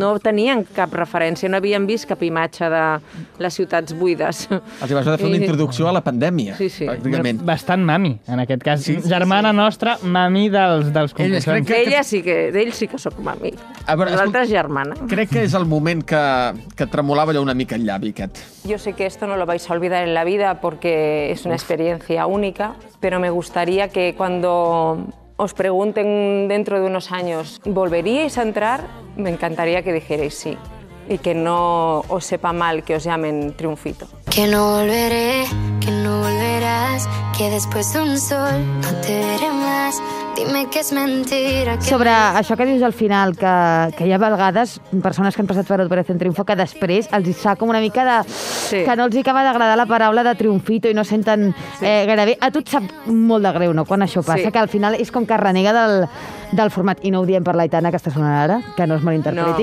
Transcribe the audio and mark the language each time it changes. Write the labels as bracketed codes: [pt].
[ca] No tenien cap referència, no havien vist cap imatge de les ciutats buides. Els hi vas haver de fer una introducció a la pandèmia. Sí, sí. Bastant mami, en aquest cas. Sí, germana sí. nostra, mami dels concursants. D'ell sí que sóc mami. L'altra és germana. Crec que és el moment que tremolava allò una mica el llavi aquest. [es] Yo sé que esto no lo vais a olvidar en la vida porque es una experiencia única, pero me gustaría que cuando... os pregunten dentro de unos años, ¿volveríais a entrar? Me encantaría que dijerais sí. Y que no os sepa mal que os llamen Triunfito. Que no volveré, que no volverás, que después de un sol no te veré más, dime que es mentira. Que... [ca] Sobre això que dius al final, que hi ha vegades persones que han passat per Operación Triunfo que després els sap com una mica de... Sí. Que no els hi acaba d'agradar la paraula de Triunfito i no senten gaire bé. A tu et sap molt de greu, no?, quan això passa, sí. Que al final és com que renega del format, i no ho diem per l'Aitana, que està sonant ara, que no es malinterpreti,